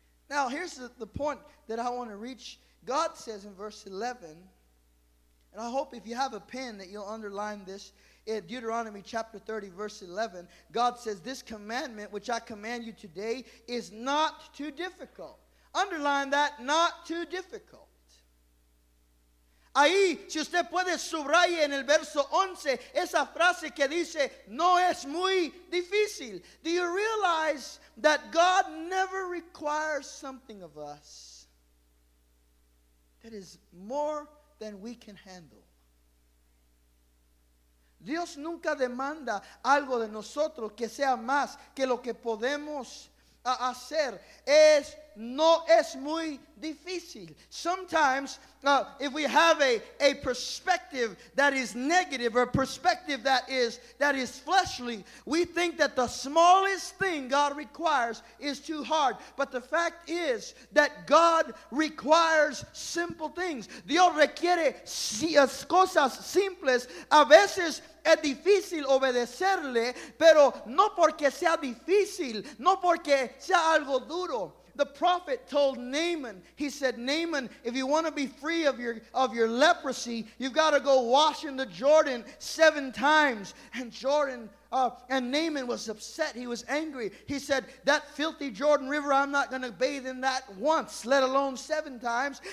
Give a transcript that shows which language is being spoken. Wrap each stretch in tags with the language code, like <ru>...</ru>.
<en>Now, here's the point that I want to reach. God says in verse 11, and I hope if you have a pen that you'll underline this. In Deuteronomy chapter 30, verse 11, God says, this commandment which I command you today is not too difficult. Underline that, not too difficult.</en> <es>Ahí, si usted puede subrayar en el verso 11, esa frase que dice, no es muy difícil.</es> <en>Do you realize that God never requires something of us that is more than we can handle?</en> <es>Dios nunca demanda algo de nosotros que sea más que lo que podemos hacer. No es muy difícil.</es> <en>Sometimes, if we have a perspective that is negative or a perspective that is fleshly, we think that the smallest thing God requires is too hard. But the fact is that God requires simple things.</en> <es>Dios requiere cosas simples. A veces es difícil obedecerle, pero no porque sea difícil, no porque sea algo duro.</es> <en>The prophet told Naaman, he said, Naaman, if you want to be free of your leprosy, you've got to go wash in the Jordan 7 times. And Naaman was upset. He was angry. He said, that filthy Jordan River, I'm not going to bathe in that once, let alone 7 times.</en>